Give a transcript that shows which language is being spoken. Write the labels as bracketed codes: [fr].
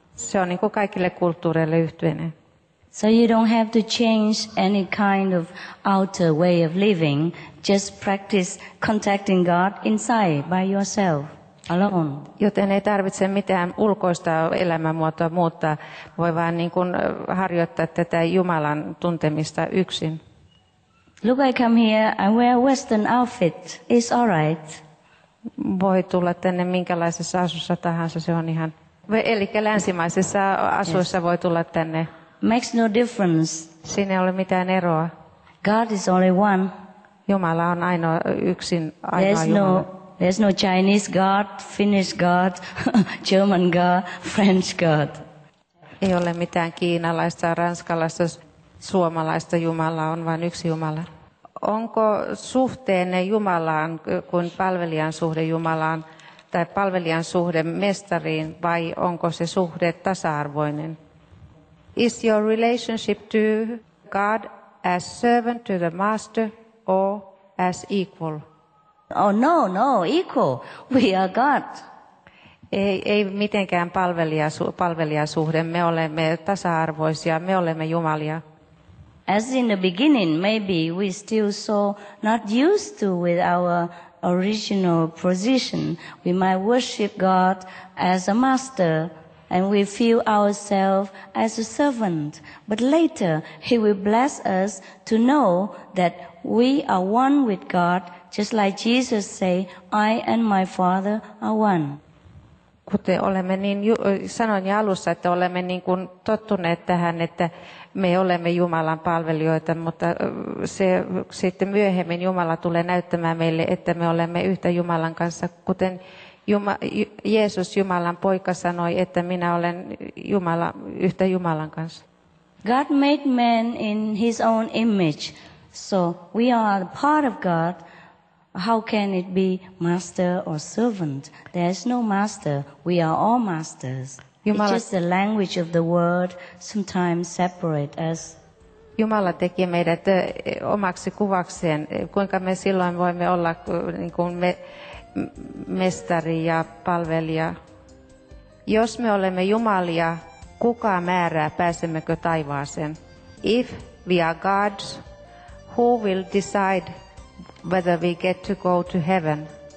[fi] Se on niin kuin kaikille kulttuureille yhteinen. [en] So you don't have to change any kind of outer way of living. Just practice contacting God inside by yourself. Alone. [fi] Joten ei tarvitse mitään ulkoista elämänmuotoa muuttaa, voi vaan niin kuin harjoittaa tätä Jumalan tuntemista yksin. [en] Look, I come here, I wear a Western outfit, it's all right. [fi] Voi tulla tänne minkälaisessa asussa tahansa, se on ihan... Eli länsimaisessa asuissa voi tulla tänne. [en] Makes no difference. [fi] Siinä ei ole mitään eroa. [en] God is only one. [fi] Jumala on ainoa yksin, ainoa [en] There's [fi] Jumala. [en] No... There's no Chinese God, Finnish God, German God, French God. [fi] Ei ole mitään kiinalaista, ranskalaista, suomalaista Jumalaa, on vain yksi Jumala. Onko suhteenne Jumalaan kuin palvelijan suhde Jumalaan tai palvelijan suhde mestariin vai onko se suhde tasa-arvoinen? [en] Is your relationship to God as servant to the master or as equal? Oh no, no, equal. We are God. [fi] Ei mitenkään palvelijasuhde. Me olemme tasa-arvoisia. Me olemme Jumalia. [en] As in the beginning, maybe we still so not used to with our original position. We might worship God as a master and we feel ourselves as a servant. But later, he will bless us to know that we are one with God. Just like Jesus say, I and my Father are one. [fi] Kuten olemme niin sanoin jo alussa, että olemme niin kuin tottuneet tähän, että me olemme Jumalan palvelijoita, mutta se sitten myöhemmin Jumala tulee näyttämään meille, että me olemme yhtä Jumalan kanssa, kuten Jeesus Jumalan poika sanoi, että minä olen Jumala yhtä Jumalan kanssa. [en] God made man in his own image. So we are part of God. How can it be master or servant? There is no master. We are all masters. Jumala, it's just the language of the word sometimes separate us. [fi] Jumala teki meidät omaksi kuvakseen. Kuinka me silloin voimme olla niin kuin mestari ja palvelija? Jos me olemme Jumalia, kuka määrää, pääsemmekö taivaaseen? [en] If we are gods, who will decide whether we get to go to heaven?